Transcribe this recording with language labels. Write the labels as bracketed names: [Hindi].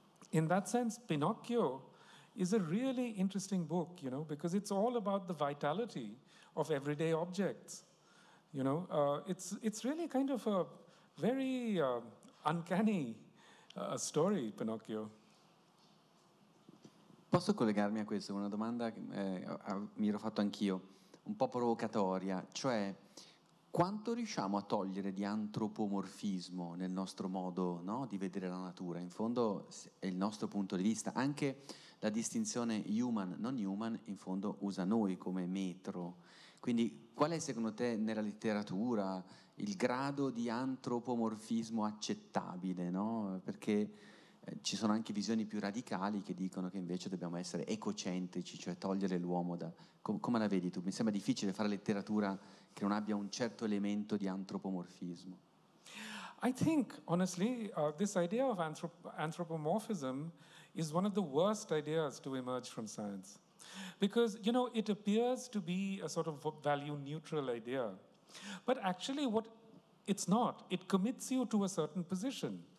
[English] In that sense, Pinocchio is a really interesting book, because it's all about the vitality of everyday objects. It's really kind of a very uncanny story, Pinocchio. [Italian] Posso collegarmi a questo? Una domanda che mi ero fatto anch'io, un po' provocatoria, cioè quanto riusciamo a togliere di antropomorfismo nel nostro modo, no, di vedere la natura? In fondo è il nostro punto di vista. Anche la distinzione human, non-human, in fondo usa noi come metro. Quindi qual è secondo te nella letteratura il grado di antropomorfismo accettabile, no? Perché ci sono anche visioni più radicali che dicono che invece dobbiamo essere ecocentrici, cioè togliere l'uomo da... Come la vedi tu? Mi sembra difficile fare letteratura che non abbia un certo elemento di antropomorfismo. [English] I think, honestly, this idea of anthropomorphism is one of the worst ideas to emerge from science. Because, it appears to be a sort of value-neutral idea. But actually, what it's not. It commits you to a certain position.